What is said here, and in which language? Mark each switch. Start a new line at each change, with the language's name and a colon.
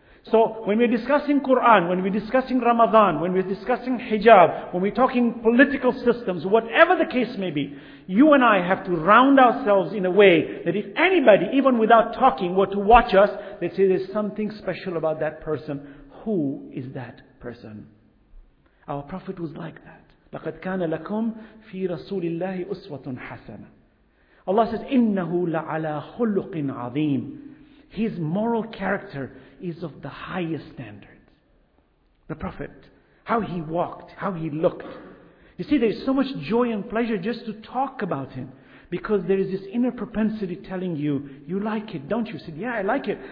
English: So when we're discussing Quran, when we're discussing Ramadan, when we're discussing hijab, when we're talking political systems, whatever the case may be, you and I have to round ourselves in a way that if anybody, even without talking, were to watch us, they'd say there's something special about that person. Who is that person? Our Prophet was like that.
Arabic: لَقَدْ كَانَ لَكُمْ فِي رَسُولِ اللَّهِ أُسْوَةٌ حَسَنًا.
English: Allah says,
Arabic: إِنَّهُ لَعَلَىٰ خُلُقٍ عَظِيمٍ.
English: His moral character is of the highest standards. The Prophet, how he walked, how he looked. You see, there is so much joy and pleasure just to talk about him, because there is this inner propensity telling you, you like it, don't you? He said, yeah, I like it.